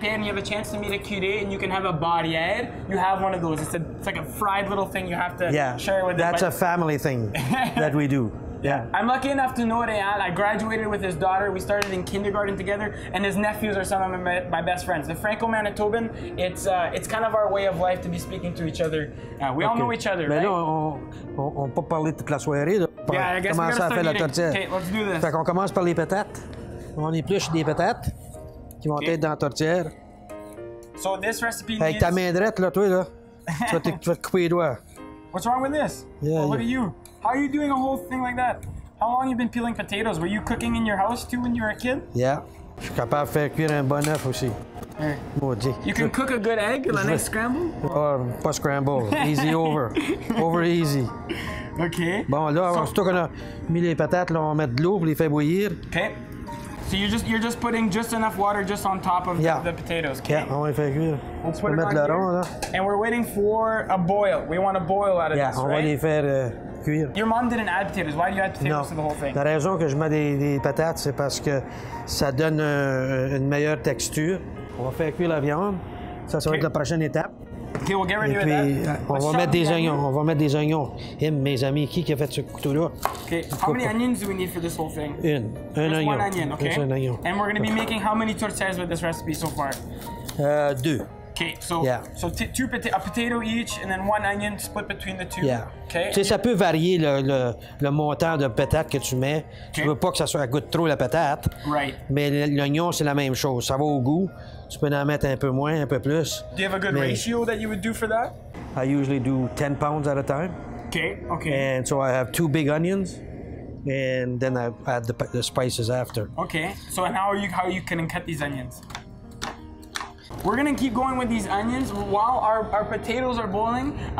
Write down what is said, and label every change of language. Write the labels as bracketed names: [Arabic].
[English] Pierre and you have a chance to meet a curé and you can have a barrière, you have one of those. It's like a fried little thing you have to share with them. That's a family thing that we do. Yeah. I'm lucky enough to know Réal. I graduated with his daughter. We started in kindergarten together, and his nephews are some of my best friends. The Franco-Manitoban, it's kind of our way of life to be speaking to each other. We all know each other, [French] mais [English] right? [French] Mais là, on peut parler toute la soirée. [English] Yeah, I guess we're gonna start eating. Okay, let's do this. [French] Fait qu'on commence par les patates. On épluche des patates qui vont être dans la tourtière. [English] So this recipe [French] avec ta main droite, là, toi, là. tu vas te couper les doigts. [English] What's wrong with this? Yeah, What are you? How are you doing a whole thing like that? How long have you been peeling potatoes? Were you cooking in your house too when you were a kid? Yeah. [French] Je suis capable de faire cuire un bon œuf aussi. Maudit. [English] You can cook a good egg, la nice scramble? Or pas scramble. Easy over. Over easy. Okay. [French] Bon, là, surtout qu'on a mis les patates, là, on va mettre de l'eau pour les faire bouillir. [English] Okay. So you're just putting just enough water just on top of the potatoes, okay? [French] Yeah, on va faire cuire. On met le rond, là. [English] And we're waiting for a boil. We want a boil out of right? [French] Yeah, on va les faire cuire. [English] Your mom didn't add potatoes. Why do you add potatoes to the whole thing? [French] La raison que je mets des patates, c'est parce que ça donne une meilleure texture. On va faire cuire la viande. Ça va être la prochaine étape. [English] Okay, we'll get rid of that. [French] Et puis, on va mettre des oignons. On va mettre des oignons. Et mes amis, qui a fait ce couteau-là? [English] Okay, how many onions do we need for this whole thing? [French] Une. Un oignon. [English] Just one onion, okay? [French] Un oignon. [English] And we're going to be making how many tortillas with this recipe so far? [French] Deux. [English] Okay, so, so two a potato each and then one onion split between the two. Yeah. Okay. [French] Tu sais, ça peut varier le montant de patate que tu mets. Okay. Tu veux pas que ça soit, goûte trop la patate. [English] Right. [French] Mais l'oignon, c'est la même chose. Ça va au goût. Tu peux en mettre un peu moins, un peu plus. [English] Do you have a good ratio that you would do for that? I usually do 10 pounds at a time. Okay, okay. And so I have two big onions. And then I add the spices after. Okay. So how are you gonna cut these onions? We're gonna keep going with these onions while our potatoes are boiling.